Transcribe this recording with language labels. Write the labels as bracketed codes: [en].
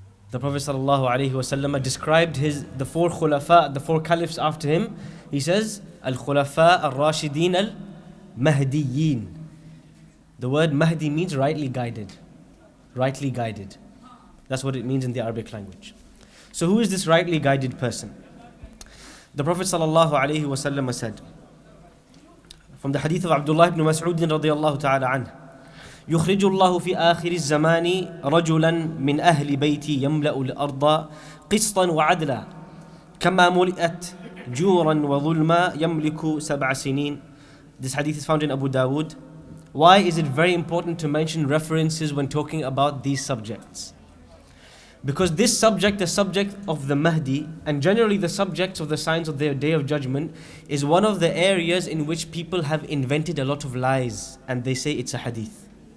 [en] The Prophet sallallahu alayhi wasallam described the four khulafa, the four caliphs after him. He says, Al-khulafa al-rashidin al-mahdiyin. The word Mahdi means rightly guided. Rightly guided. That's what it means in the Arabic language. So who is this rightly guided person? The Prophet sallallahu alayhi wasallam said, from the hadith of Abdullah ibn Mas'ud radiyallahu ta'ala anhu, [ar] يخرج الله في آخر الزمان رجلا من أهل بيتي يملأ الأرض قسطا وعدلا كما ملئت جورا وظلما يملك سبع سنين. [en] This hadith is found in Abu Dawood. Why is it very important to mention references when talking about these subjects? Because this subject, the subject of the Mahdi, and generally the subjects of the signs of the Day of Judgment, is one of the areas in which people have invented a lot of lies, and they say it's a hadith.